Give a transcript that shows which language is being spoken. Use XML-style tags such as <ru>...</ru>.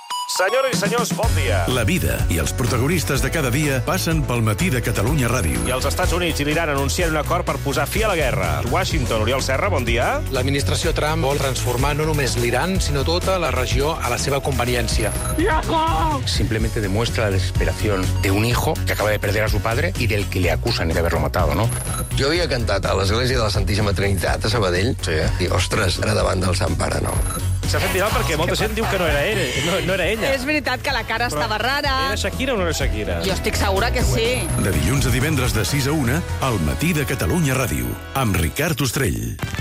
<ca>Senyores i senyors, bon dia. La vida i els protagonistes de cada dia passen pel matí de Catalunya Ràdio. I els Estats Units i l'Iran anuncien un acord per posar fi a la guerra. Washington, Oriol Serra, bon dia. L'administració Trump vol transformar no només l'Iran, sinó tota la regió a la seva conveniència.</ca> <es>¡Hijo! Simplemente demuestra la desesperación de un hijo que acaba de perder a su padre y del que le acusan de haberlo matado, ¿no?</es> <ca>Jo havia cantat a l'església de la Santíssima Trinitat, a Sabadell. Sí. I, ostres, era davant del Sant Pare, no? s'ha fet viral perquè molta gent diu que no era ell, no era ella. És veritat que la cara però estava rara. Era Shakira o no era Shakira? Jo estic segura que sí. De dilluns a divendres de 6 a 1, al matí de Catalunya Ràdio, amb Ricard Ostrell.</ca>